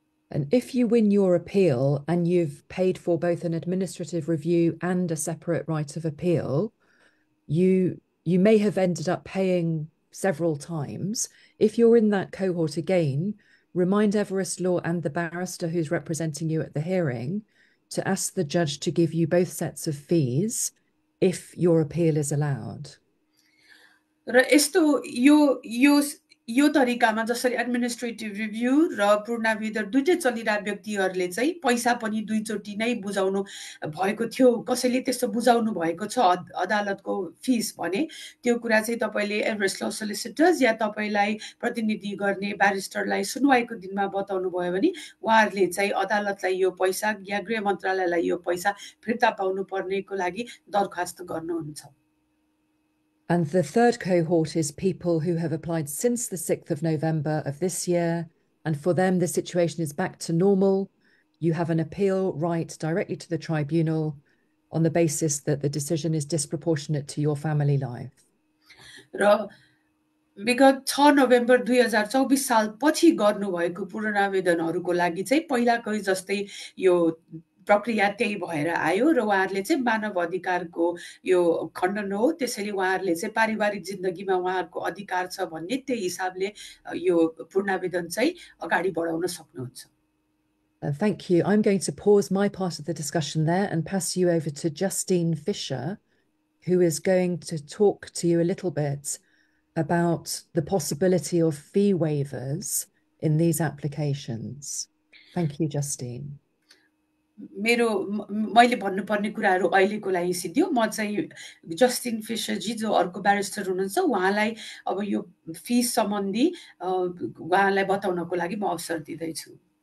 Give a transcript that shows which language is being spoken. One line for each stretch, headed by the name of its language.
English: And if you win your appeal and you've paid for both an administrative review and a separate right of appeal, you may have ended up paying several times. If you're in that cohort again, remind Everest Law and the barrister who's representing you at the hearing to ask the judge to give you both sets of fees if your appeal is allowed.
Nepali: र यस्तो यो यो यो तरिकामा जसरी administrative review र पूर्णावेदन दुइटै चलिरहेका व्यक्तिहरूले चाहिँ पैसा पनि दुईचोटि नै बुझाउनु भएको थियो कसैले त्यस्तो बुझाउनु भएको छ अदालतको फिस भने त्यो कुरा चाहिँ तपाईँले एभरेस्ट ल सोलिसिटर्स या तपाईँलाई प्रतिनिधि गर्ने ब्यारिस्टरलाई सुनवाईको दिनमा बताउनु भयो भने उहाँहरूले चाहिँ अदालतलाई यो पैसा या गृह मन्त्रालयलाई यो पैसा फिर्ता पाउनु पर्नेको लागि दरखास्त गर्नुहुन्छ।
English: And the third cohort is people who have applied since the 6th of November of this year. And for them, the situation is back to normal. You have an appeal right directly to the tribunal on the basis that the decision is disproportionate to your family life.
Nepali: र विगत 6 November 2024 साल पछि गर्नुभएको पूर्णावेदनहरूको लागि चाहिँ पहिलाकै जस्तै यो प्रक्रिया त्यही भएर आयो र उहाँहरूले चाहिँ मानव अधिकारको यो खण्डन हो त्यसैले उहाँहरूले चाहिँ पारिवारिक जिन्दगीमा उहाँहरूको अधिकार छ भन्ने त्यही हिसाबले यो पूर्णावेदन चाहिँ अगाडि बढाउन सक्नुहुन्छ।
English: Thank you. I'm going to pause my part of the discussion there and pass you over to Justine Fisher, who is going to talk to you a little bit about the possibility of fee waivers in these applications. Thank you, Justine.
Nepali: मेरो मैले भन्नुपर्ने कुराहरू अहिलेको लागि सिद्धियो म चाहिँ Justin फिसरजी जो अर्को ब्यारिस्टर हुनुहुन्छ उहाँलाई अब यो फिस सम्बन्धी उहाँलाई बताउनको लागि म अवसर दिँदैछु।